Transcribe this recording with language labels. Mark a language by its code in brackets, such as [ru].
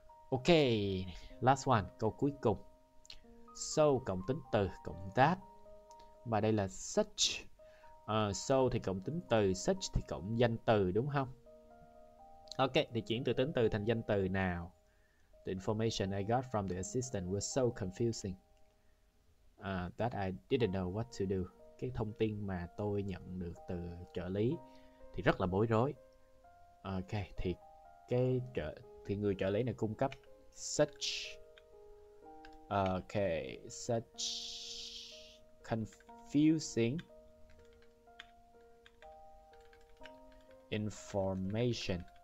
[en] Ok, last one, [vi] câu cuối cùng. So cộng tính từ cộng that. Mà đây là such. So thì cộng tính từ, such thì cộng danh từ đúng không? Ok, thì chuyển từ tính từ thành danh từ nào. [en] The information I got from the assistant was so confusing that I didn't know what to do. [vi] Cái thông tin mà tôi nhận được từ trợ lý thì rất là bối rối. Ok, thì cái thì người trợ lý này cung cấp such, ok, [en] such confusing information.